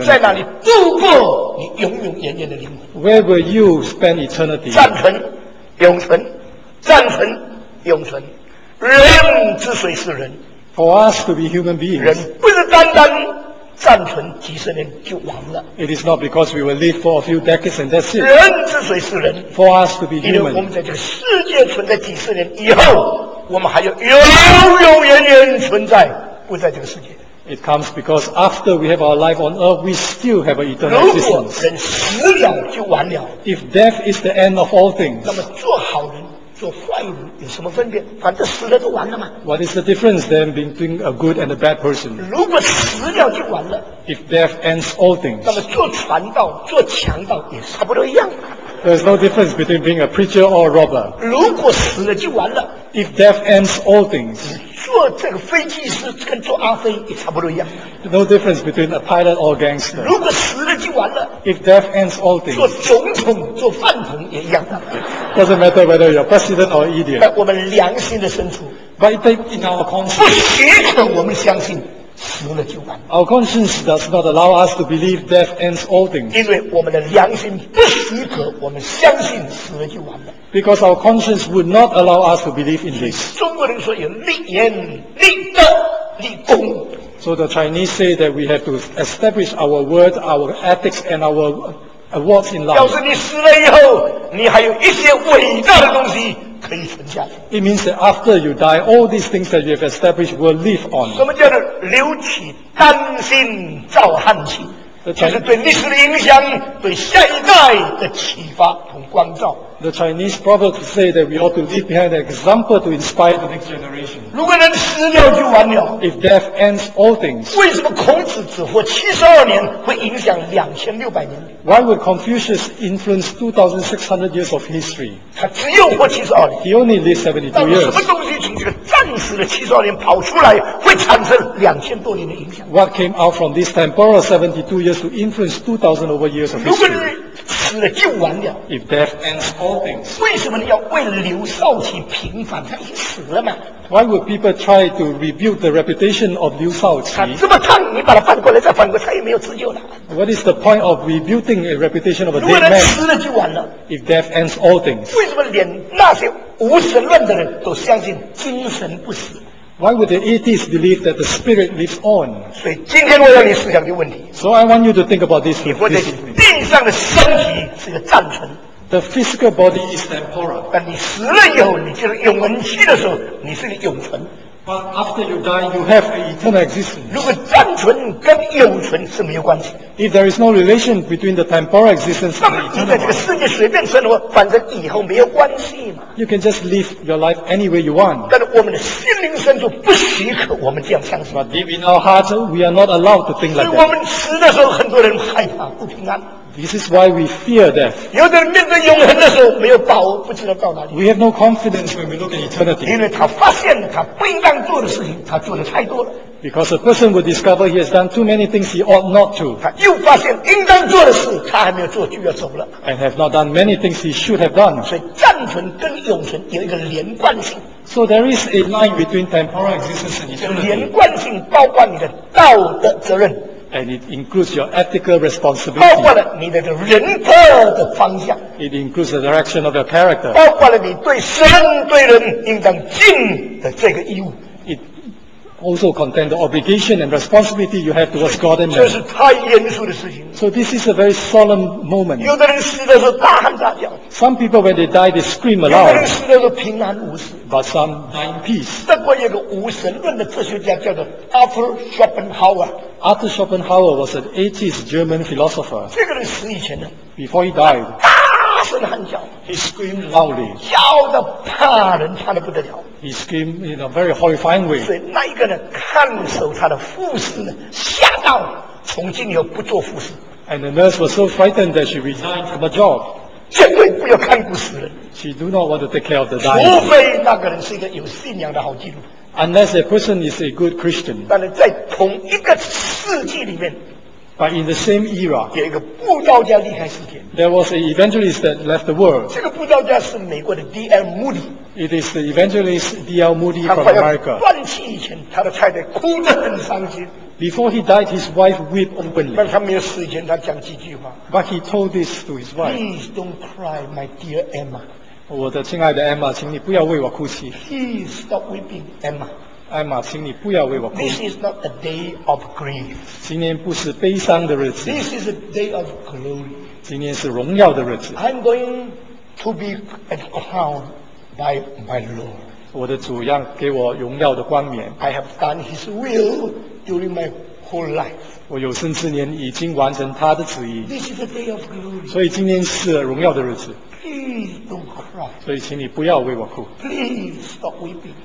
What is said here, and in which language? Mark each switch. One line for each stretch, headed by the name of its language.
Chinese: 你要在哪里度过你永永远远的灵魂？
English: Where will you spend eternity?
Chinese: 赞成，永存，赞成，永存。人之所以是人
English: For us to be human beings
Chinese: 人不是单单暂存几十年就完了
English: It is not because we will live for a few decades and that's it
Chinese: 人之所以是人
English: For us to be human
Chinese: 因为我们在这个世界存在几十年以后我们还要永永远远存在不在这个世界
English: It comes because after we have our life on earth we still have an eternal existence
Chinese: 如果人死了就完了
English: If death is the end of all things
Chinese: 那么做好人做坏人有什么分别？反正死了就完了嘛。
English: What is the difference then between a good and a bad person?
Chinese: 如果死掉就完了。
English: If death ends all things.
Chinese: 那么做传道、做强盗也差不多一样。
English: There's no difference between being a preacher or a robber.
Chinese: 如果死了就完了。
English: If death ends all things.
Chinese: 做这个飞机师跟做阿飞也差不多一样。
English: No difference between a pilot or a gangster.
Chinese: 如果死了就完了。
English: If death ends all things，
Chinese: 做总统、做饭桶也一样的。
English: Doesn't matter whether you're president or idiot。
Chinese: 在我们良心的深处
English: ，But in our conscience，
Chinese: 不许可我们相信死了就完了。
English: Our conscience does not allow us to believe death ends all things。
Chinese: 因为我们的良心不许可我们相信死了就完了。
English: Because our conscience would not allow us to believe in this。
Chinese: 中国人说有立言、立德、立功。
English: So the Chinese say that we have to establish our word, our ethics, and our awards in life.
Chinese: 要是你死了以后，你还有一些伟大的东西可以存下去。
English: It means that after you die, all these things that you have established will live on.
Chinese: 什么叫做留起丹心照汗青？就是对历史的影响，对下一代的启发和光照。
English: The Chinese proverb say that we ought to leave behind an example to inspire the next generation.
Chinese: 如果人死了就完了。
English: If death ends all things.
Chinese: 为什么孔子只活72年会影响2600年？
English: Why would Confucius influence 2600 years of history?
Chinese: 他只有活72年。
English: He only lived 72 years.
Chinese: 什么东西从这个暂时的72年跑出来会产生2000多年的影响？
English: What came out from this temporal 72 years to influence 2000 over years of history?
Chinese: 死了就完了。
English: If death ends all things，
Chinese: 为什么你要为刘少奇平反？他已经死了嘛。
English: Why would people try to rebuild the reputation of Liu Shaoqi?
Chinese: 他这么烫，你把他翻过来再翻过来，他也没有自救了。
English: What is the point of rebuilding a reputation of a dead man?
Chinese: 如果死了就完了。
English: If death ends all things，
Chinese: 为什么连那些无神论的人都相信精神不死？
English: Why would the atheists believe that the spirit lives on?
Chinese: 所以今天我要你思想的问题。
English: So I want you to think about this.
Chinese: 你活在地上的身体是个暂存。
English: The physical body is temporal.
Chinese: 但你死了以后，你就是永恒期的时候，你是个永存。
English: But after you die, you have an eternal existence.
Chinese: 如果暂存跟永存是没有关系。
English: If there is no relation between the temporal existence and eternal life,
Chinese: 那么你在这个世界随便生活，反正以后没有关系嘛。
English: You can just live your life any way you want.
Chinese: 但是我们的心灵深处不许可我们这样相信。
English: But deep in our hearts, we are not allowed to think like that.
Chinese: 所以我们死的时候，很多人害怕不平安。
English: This is why we fear death.
Chinese: 有的人面对永恒的时候没有把握，不知道到哪里。
English: We have no confidence when we look at eternity.
Chinese: 因为他发现了他不应当做的事情，他做的太多了。
English: Because a person will discover he has done too many things he ought not to.
Chinese: 他又发现应当做的事他还没有做就要走了。
English: And have not done many things he should have done.
Chinese: 所以暂存跟永存有一个连贯性。
English: So there is a line between temporal existence and eternity.
Chinese: 连贯性包括你的道德责任。
English: And it includes your ethical responsibility.
Chinese: 包括了你的人格的方向。
English: It includes the direction of your character.
Chinese: 包括了你对神对人应当尽的这个义务。
English: It also contains the obligation and responsibility you have towards God and man.
Chinese: 这是太严肃的事情。
English: So this is a very solemn moment.
Chinese: 有的人死的时候大喊大叫。
English: Some people when they die they scream aloud.
Chinese: 有的人死的时候平安无事。
English: But some die in peace.
Chinese: 德国有个无神论的哲学家叫做 Arthur Schopenhauer。
English: Arthur Schopenhauer was an atheist German philosopher.
Chinese: 这个人死以前呢，
English: before he died,
Chinese: 大声喊叫，
English: he screamed loudly,
Chinese: 叫得怕人怕得不得了。
English: He screamed in a very horrifying way.
Chinese: 所以那一个呢，看守他的护士呢，吓到从今以后不做护士。
English: And the nurse was so frightened that she resigned from her job.
Chinese: 绝对不要看顾死人。
English: She do not want to take care of the dying.
Chinese: 除非那个人是一个有信仰的好基督徒。
English: Unless a person is a good Christian.
Chinese: 但是在同一个世纪里面，
English: But in the same era,
Chinese: 有一个布道家离开世界。
English: There was an evangelist that left the world.
Chinese: 这个布道家是美国的 D.L. Moody.
English: It is the evangelist D.L. Moody from America.
Chinese: 他快要断气以前，他的太太哭得很伤心。
English: Before he died, his wife wept openly.
Chinese: 但他没有死前，他讲几句话。
English: But he told this to his wife. Please don't cry, my dear Emma.
Chinese: 我的亲爱的 Emma， 请你不要为我哭泣。
English: Please stop weeping, Emma.
Chinese: Emma， 请你不要为我哭泣。
English: This is not a day of grief.
Chinese: 今天不是悲伤的日子。
English: This is a day of glory.
Chinese: 今天是荣耀的日子。
English: I'm going to be crowned by my Lord.
Chinese: 我的主要给我荣耀的冠冕。
English: I have done His will during my whole life.
Chinese: 我有生之年已经完成他的旨意。
English: This is a day of glory.
Chinese: 所以今天是荣耀的日子。
English: Please don't cry.
Chinese: 所以请你不要为我哭。
English: Please stop weeping.